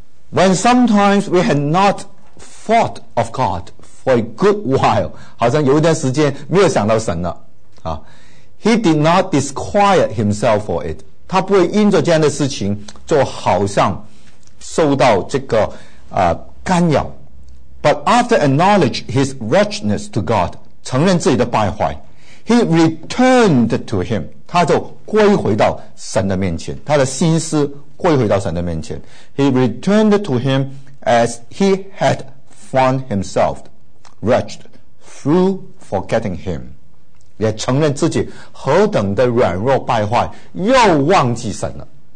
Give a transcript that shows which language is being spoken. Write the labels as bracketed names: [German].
[English] When sometimes we had not thought of GodFor a good while, [Chinese] 好像有一段时间没有想到神了啊。 [English] He did not disquiet himself for it. [Chinese] 他不会因着这样的事情就好像受到这个干扰。 [English] But after acknowledge his wretchedness to God, [Chinese] 承认自己的败坏, [English] He returned to him. [Chinese] 他就归回到神的面前，他的心思归回到神的面前。 [English] He returned to him as he had found himself wretched through forgetting him. [Chinese] 也承认自己何等的软弱败坏，又忘记神了。